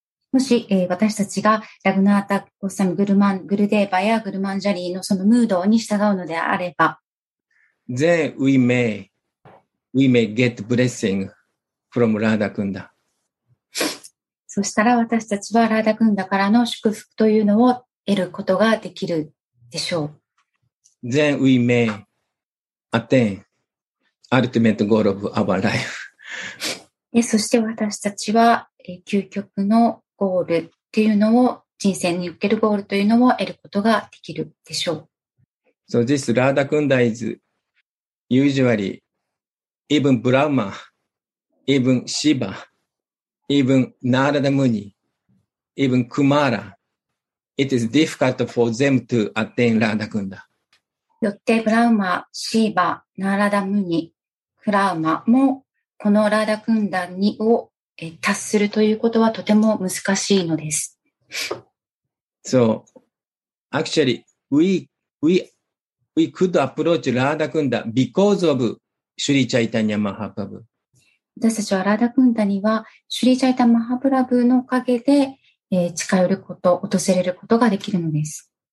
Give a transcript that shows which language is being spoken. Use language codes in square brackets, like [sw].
[ja] もし私たちがラグナータ・ゴスワミ、グルデーバやグルマンジャリーのそのムードに従うのであれば、 [en] then we may get blessing from Radha Kunda. [ja] そしたら私たちはラーダクンダからの祝福というのを得ることができるでしょう。 [en] Then we may attain ultimate goal of our life. [ja] そして私たちは究極のゴールというのを、人生におけるゴールというのを得ることができるでしょう。 [en] So this Radha Kunda is usually even Brahma,Even Shiva, even Narada Muni, even Kumara, it is difficult for them to attain Radha Kunda. [ja] よって、ブラウマ、シーバ、ナーラダムニ、クラウマもこのラーダクンダにを達するということはとても難しいのです。 [en] So, actually, we could approach Radha Kunda because of Sri Chaitanya Mahaprabhu. [ja] 私たちはラーダクンダにはシュリ・チャイタン・マハプラブのおかげで近寄ること、訪れることができるのです。